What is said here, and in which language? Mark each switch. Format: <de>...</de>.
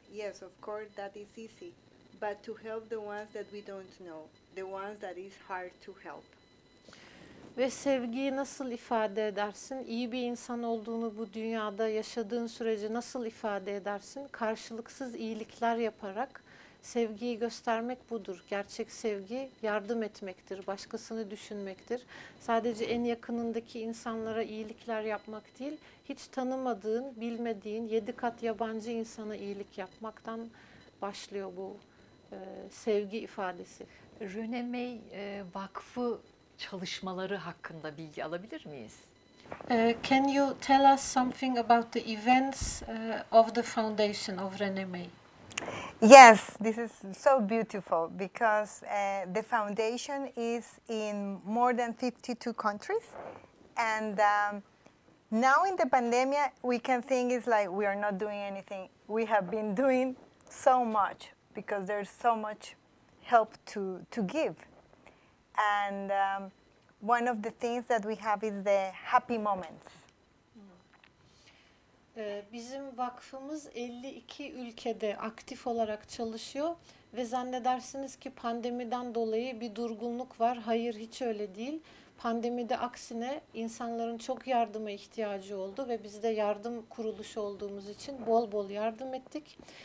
<en>Yes, of course, that is easy, but to help the ones that we don't know. The ones that is hard to help.</en> <tr>Ve sevgiyi nasıl ifade edersin? İyi bir insan olduğunu bu dünyada yaşadığın sürece nasıl ifade edersin? Karşılıksız iyilikler yaparak sevgiyi göstermek budur. Gerçek sevgi yardım etmektir, başkasını düşünmektir. Sadece en yakınındaki insanlara iyilikler yapmak değil, hiç tanımadığın, bilmediğin 7 kat yabancı insana iyilik yapmaktan başlıyor bu sevgi ifadesi. René May Vakfı çalışmaları hakkında bilgi alabilir miyiz?</tr> <en>Can you tell us something about the events of the foundation of René May? Yes, this is so beautiful because the foundation is in more than 52 countries. And now in the pandemic, we can think it's like we are not doing anything. We have been doing so much because there's so much help to give. And one of the things that we have is the happy moments.</en> <tr>Bizim vakfımız 52 ülkede aktif olarak çalışıyor ve zannedersiniz ki pandemiden dolayı bir durgunluk var. Hayır, hiç öyle değil. Pandemide aksine insanların çok yardıma ihtiyacı oldu ve biz de yardım kuruluşu olduğumuz için bol bol yardım ettik.</tr>